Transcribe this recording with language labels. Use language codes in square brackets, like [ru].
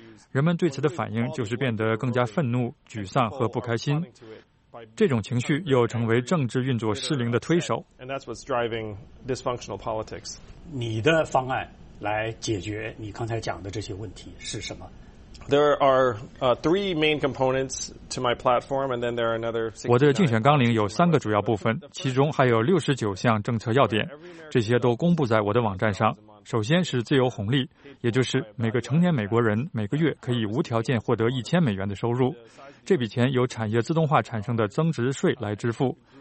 [zh] 人们对此的反应就是变得更加愤怒、沮丧和不开心。这种情绪又成为政治运作失灵的推手。你的方案来解决你刚才讲的这些问题是什么？ [en] There are three main components to my platform, and then there are another. [zh] 我的竞选纲领有三个主要部分，其中还有69项政策要点，这些都公布在我的网站上。首先是自由红利，也就是每个成年美国人每个月可以无条件获得$1,000的收入，这笔钱由产业自动化产生的增值税来支付。